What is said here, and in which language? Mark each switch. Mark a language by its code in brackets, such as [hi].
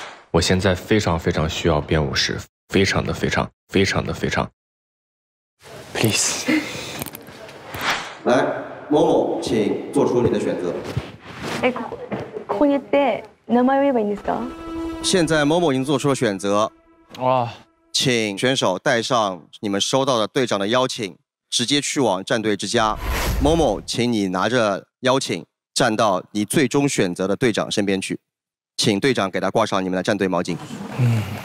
[zh] 我现在非常非常需要编舞师，非常的非常，非常的非常。 [en] Please. [zh] 来，某某，请做出你的选择。 [ja] 哎，ここに行って名前を言えばいいんですか？ [zh] 现在某某已经做出了选择。哇！请选手带上你们收到的队长的邀请，直接去往战队之家。某某，请你拿着邀请，站到你最终选择的队长身边去。请队长给他挂上你们的战队毛巾。嗯。